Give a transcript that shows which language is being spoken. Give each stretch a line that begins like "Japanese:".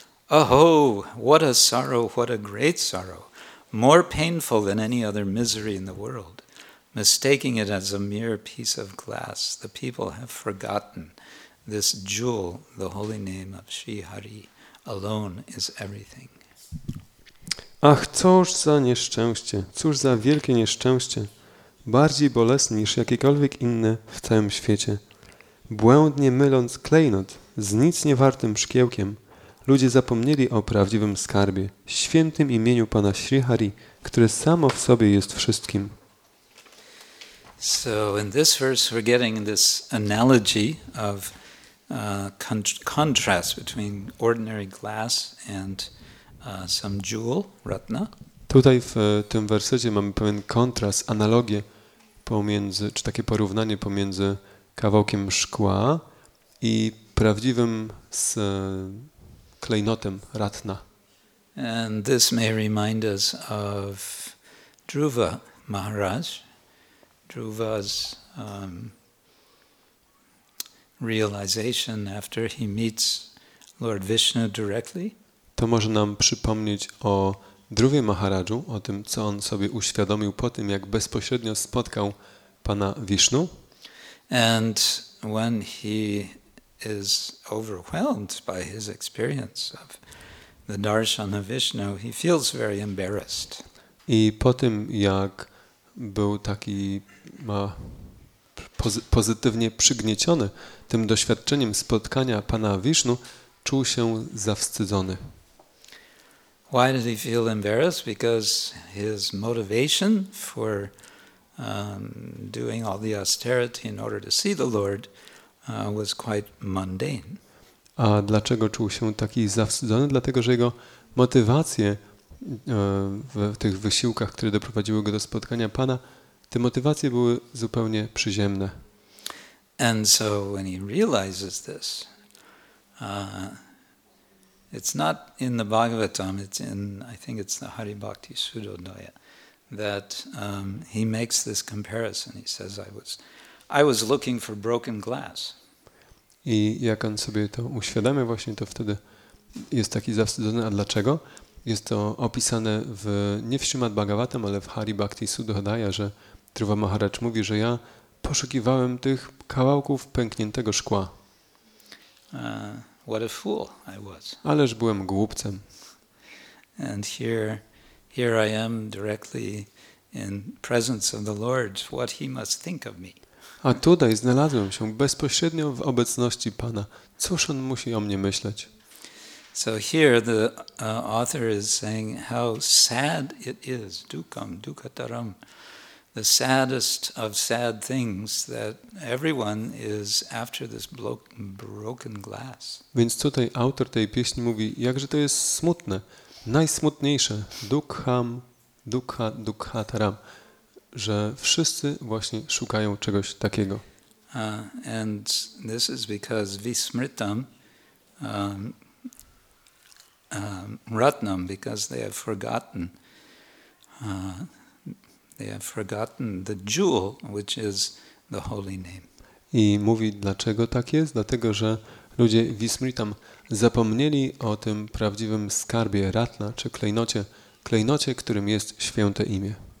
English: Oh, what a sorrow, what a great sorrow, more painful than any other misery in the world. Mistaking it as a mere piece of glass, the people have forgotten this jewel, the holy name of Sri Hari, alone is everything.
Polish: Ach, cóż za nieszczęście, cóż za wielkie nieszczęście, bardziej bolesne niż jakiekolwiek inne w całym świecie. Błędnie myląc klejnot z nic niewartym szkiełkiem, ludzie zapomnieli o prawdziwym skarbie, świętym imieniu Pana Sri Hari, które samo w sobie jest wszystkim.
English: So in this verse we're getting this analogy of contrast between ordinary glass and some jewel, ratna.
Polish: Tutaj w tym wersecie mamy pewien kontrast, analogię pomiędzy, czy takie porównanie pomiędzy kawałkiem szkła i prawdziwym z klejnotem ratna.
English: And this may remind us of Dhruva Maharaj, Dhruva's realization after he meets Lord Vishnu directly.
Polish: To może nam przypomnieć o Dhruvie Maharaju, o tym, co on sobie uświadomił po tym, jak bezpośrednio spotkał Pana Vishnu.
English: And when he is overwhelmed by his experience of the darshan of Vishnu, he feels very embarrassed.
Polish: I po tym, jak był taki pozytywnie przygnieciony tym doświadczeniem spotkania Pana Vishnu, czuł się zawstydzony.
English: Why did he feel embarrassed? Because his motivation for doing all the austerity in order to see the Lord was quite mundane.
Polish: A dlaczego czuł się taki zawstydzony? Dlatego, że jego motywacje w tych wysiłkach, które doprowadziły go do spotkania Pana, te motywacje były zupełnie przyziemne.
English: And so when he realizes this, it's not in the Bhagavatam, it's in, I think it's the Hari Bhakti Sudodaya, that he makes this comparison. He says, I was looking for broken glass.
Polish: I jak on sobie to uświadamia właśnie, to wtedy jest taki zawstydzony. A dlaczego? Jest to opisane w, nie w Śrimad Bhagavatam, ale w Hari Bhakti Sudhodaya, że Dhruva Maharaj mówi, że ja poszukiwałem tych kawałków pękniętego szkła.
English: What a fool I was.
Polish: Ależ byłem głupcem.
English: And here I am directly in presence of the Lord what he must think of me.
Polish: A tutaj znalazłem się bezpośrednio w obecności Pana. Cóż on musi o mnie myśleć?
English: So here the author is saying how sad it is, dukam, dukataram, the saddest of sad things, that everyone is after this broken glass.
Polish: Więc tutaj autor tej pieśni mówi, jakże to jest smutne, najsmutniejsze, dukham, dukha, dukhataram, że wszyscy właśnie szukają czegoś takiego.
English: And this is because vismritam, ratnam, because they have forgotten the jewel, which is the holy name.
Polish: I mówi, dlaczego tak jest? Dlatego, że ludzie vismritam zapomnieli o tym prawdziwym skarbie, ratna, czy klejnocie, którym jest święte imię.